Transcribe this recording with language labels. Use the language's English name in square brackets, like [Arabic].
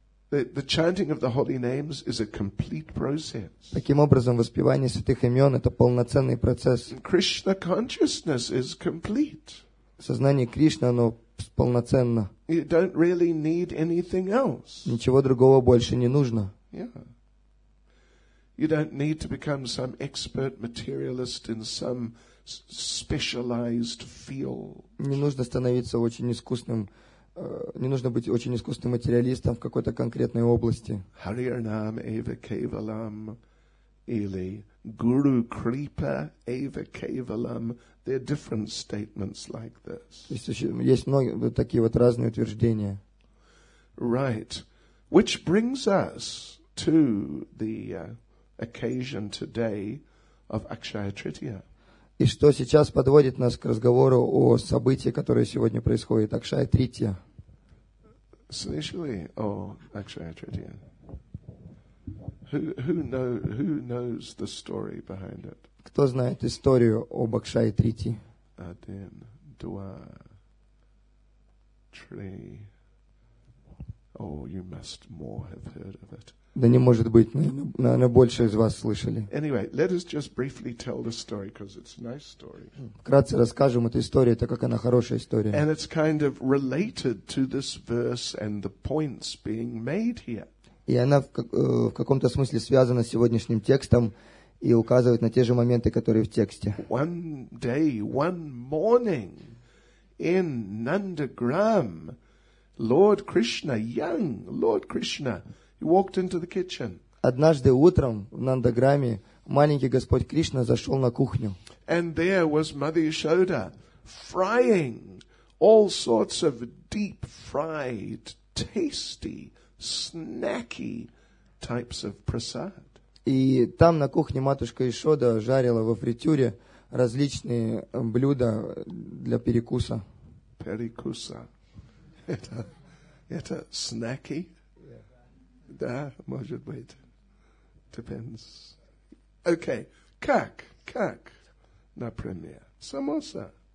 [English] The chanting of the holy names is a complete process. [Russian] Таким образом, воспевание святых имен это полноценный процесс. [English] Krishna consciousness is complete. [Russian] Сознание Кришны, оно полноценно. [English] You don't really need anything else. [Russian] Ничего другого больше не нужно. [English] Yeah. You don't need to become some expert materialist in some specialized field. [Russian] Не нужно становиться очень искусным, не нужно быть очень искусным материалистом в какой-то конкретной области. [Sanskrit] Hariar Nam Eva Kevalam или Guru Kripa Eva Kevalam. [English] There are different statements like this. [Russian] Есть много такие вот разные утверждения. [English] Right. Which brings us to the occasion today of Akshaya Tritiya. [Russian] И что сейчас подводит нас к разговору о событии, которое сегодня происходит, Акшая Тритья. Слышали о Акшая Тритья? [English] Who knows the story behind it? [Russian] Кто знает историю об Акшая Тритье? Один, два, три. [English] Oh, you must more have heard of it. [Russian] Да не может быть, наверное, больше из вас слышали. [English] Anyway, let us just briefly tell the story, because it's a nice story. [Russian] Вкратце расскажем эту историю, так как она хорошая история. [English] And it's kind of related to this verse and the points being made here. [Russian] И она в каком-то смысле связана с сегодняшним текстом и указывает на те же моменты, которые в тексте. [English] One day, one morning in Nandagram, Lord Krishna, young Lord Krishna, he walked into the kitchen. [Russian] Однажды утром в Нандаграме маленький Господь Кришна зашел на кухню. [English] And there was Mother Yashoda frying all sorts of deep fried, tasty, snacky types of prasad. [Russian] И там на кухне матушка Ишода жарила во фритюре различные блюда для перекуса. Перекуса. Это snacky? Да, может быть. Depends. Okay. Как? Например. Самоса.